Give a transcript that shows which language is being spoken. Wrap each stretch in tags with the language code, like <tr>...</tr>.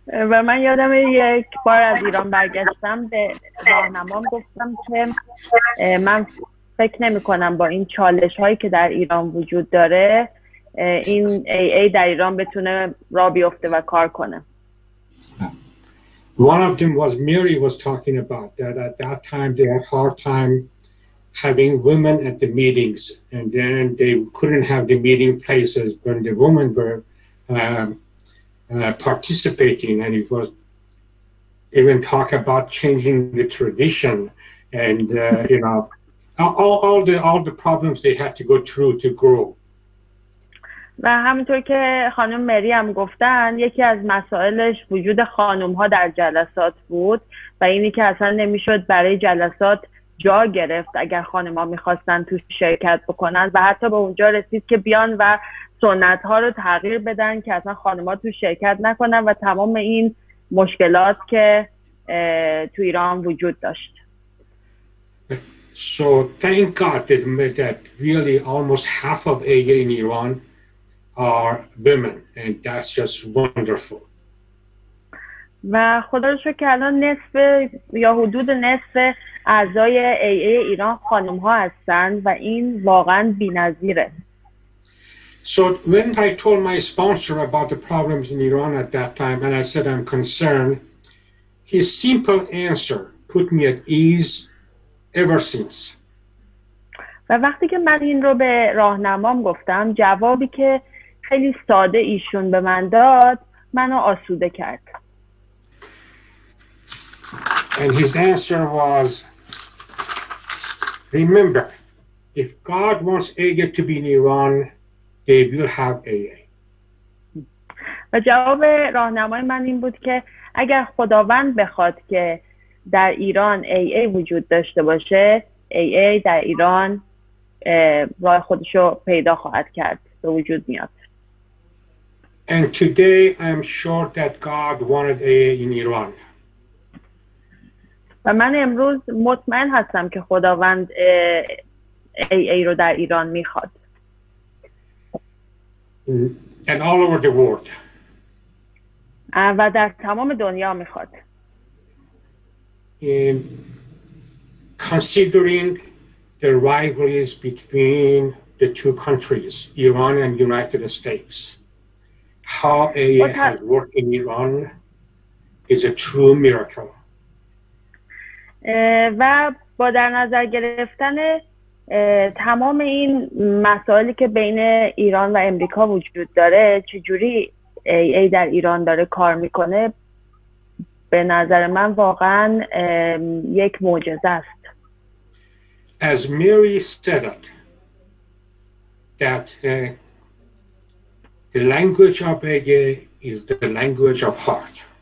<fa>و من یادم یک بار از ایران برگشتم به راهنمام گفتم که من فکر نمی کنم با این چالش هایی که در ایران وجود داره این AA در ایران بتونه را بیفته و کار کنه.</fa> <en>One of them was Mary was talking about that at that time they had hard time having women at the meetings and then they couldn't have the meeting places when the women were participating and it was even talk about changing the tradition and you know all the problems they had to go through to grow.</en> <fa>و همونطور که خانم مری هم گفتن یکی از مسائلش وجود خانم ها در جلسات بود و اینی که اصلا نمیشد برای جلسات جا گرفت اگر خانم ها میخواستن تو شرکت بکنن و حتی به اونجا رسید که بیان و سنت ها رو تغییر بدن که اصلا خانم ها تو شرکت نکنن و تمام این مشکلات که تو ایران وجود داشت.</fa> <en>So thank God that really almost half of AA in Iran are women and that's just wonderful.</en> <fa>و خدا رو شکر که الان نصف یا حدود نصف اعضای AA ایران خانم ها هستن و این واقعا بی‌نظیره.</fa> <en>So when I told my sponsor about the problems in Iran at that time and I said I'm concerned, his simple answer put me at ease ever since.</en> <fa>و وقتی که من این رو به راهنمام گفتم جوابی که خیلی ساده ایشون به من داد منو آسوده کرد.</fa> <en>And his answer was, remember, if God wants AA to be in Iran, they will have AA.</en> <fa>و جواب راهنمای من این بود که اگر خداوند بخواد که در ایران AA وجود داشته باشه، AA در ایران راه خودشو پیدا خواهد کرد، به وجود میاد.</fa> <en>And today I'm sure that God wanted AA in Iran.</en> <fa>و من امروز مطمئن هستم که خداوند AA رو در ایران میخواد.</fa> <en>And all over the world.</en> <fa>و در تمام دنیا میخواد.</fa> <en>Considering the rivalries between the two countries, Iran and United States. How AA has worked in Iran is a true miracle.</en> <fa>و با در نظر گرفتن تمام این مسائلی که بین ایران و امریکا وجود داره، چجوری AA در ایران داره کار میکنه، به نظر من واقعا یک معجزه است.</fa> <en>As Mary said it, that the language of AA is the language of heart.</en>